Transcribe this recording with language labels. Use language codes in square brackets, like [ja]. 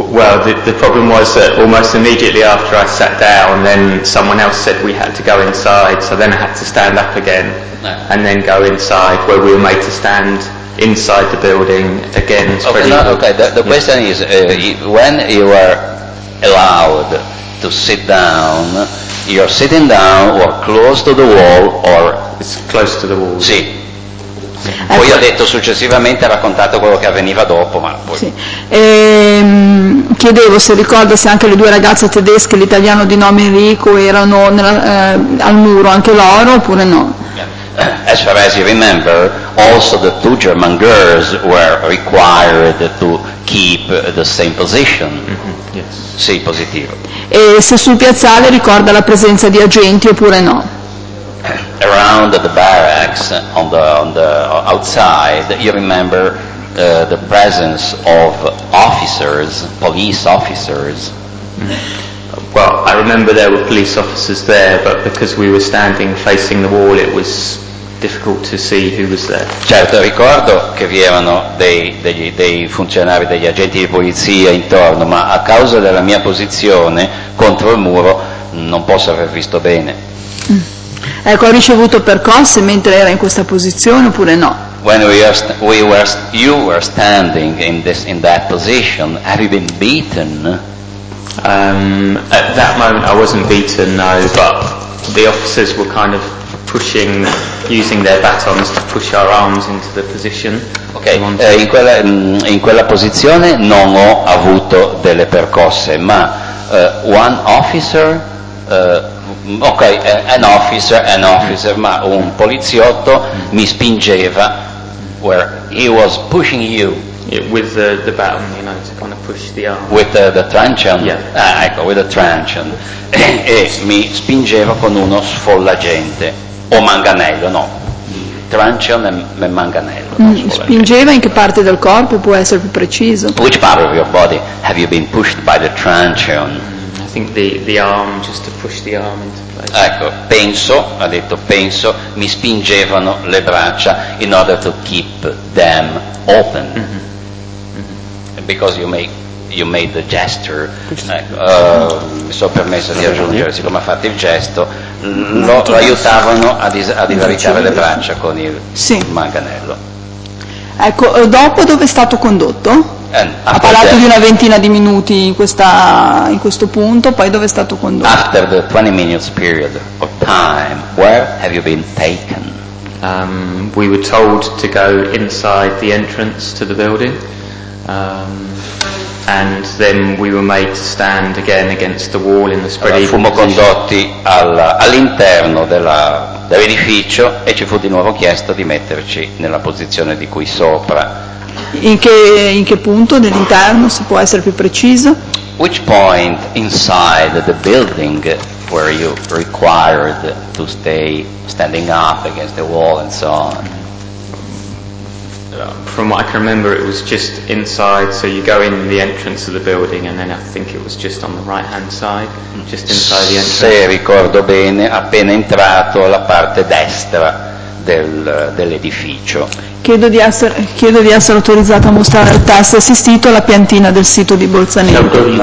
[en] Well, the problem was that almost immediately after I sat down, then someone else said we had to go inside, so then I had to stand up again and then go inside, where we were made to stand inside the building again. Question is, when you are allowed to sit down, you're sitting down or close to the wall, or it's close to the wall. [it] Sì. Poi ha detto successivamente, ha raccontato quello che avveniva dopo, ma poi... Sì. Chiedevo se ricorda se anche le due ragazze tedesche, l'italiano di nome Enrico, erano al muro anche loro oppure no. [en] As far as you remember, also the two German girls were required to keep the same position. Mm-hmm. Yes. [it] Sì, positivo. E se sul piazzale ricorda la presenza di agenti oppure no? [en] Around the barracks, on the outside, you remember the presence of officers, police officers. Well, I remember there were police officers there, but because we were standing facing the wall, it was difficult to see who was there. [it] Certo, ricordo che vi erano dei funzionari, degli agenti di polizia intorno, ma a causa della mia posizione contro il muro non posso aver visto bene. Ecco, ha ricevuto percosse mentre era in questa posizione oppure no? [en] When you were standing in this in that position, have you been beaten? At that moment I wasn't beaten, no, but the officers were kind of pushing, using their batons to push our arms into the position. [it] Okay, in quella posizione non ho avuto delle percosse, ma [en] one officer an officer, [it] ma un poliziotto mi spingeva, [en] where he was pushing you. Yeah, with the baton, you know, to kind of push the arm. With the truncheon? Yeah. [it] Ah, ecco, [en] with the truncheon. [it] E mi spingeva con uno sfollagente, o manganello, no. Truncheon e manganello. Spingeva in che parte del corpo, può essere più preciso? [en] Which part of your body have you been pushed by the truncheon? I think the arm, just to push the arm into place. [it] Ecco, penso, ha detto penso, mi spingevano le braccia [en] in order to keep them open. Mm-hmm. Mm-hmm. Because you made the gesture. [it] Mi sono permesso di aggiungere, siccome ha fatto il gesto, lo aiutavano a divaricare le braccia con il manganello. Ecco, dopo dove è stato condotto? Ha parlato di una ventina di minuti in questo punto, poi dove è stato condotto? [en] After the 20 minutes period of time, where have you been taken? We were told to go inside the entrance to the building, and then we were made to stand again against the wall in the spread. [it] Allora, fummo condotti all'interno dell'edificio e ci fu di nuovo chiesto di metterci nella posizione di qui sopra. In che punto dell'interno, se può essere più preciso? [en] Which point inside the building were you required to stay standing up against the wall and so on? From what I can remember, it was just inside, so you go in the entrance of the building, and then I think it was just on the right hand side, just inside the entrance. [it] Se ricordo bene, appena entrato alla parte destra dell'edificio. Chiedo di essere autorizzato a mostrare il test assistito alla piantina del sito di Bolzaneto.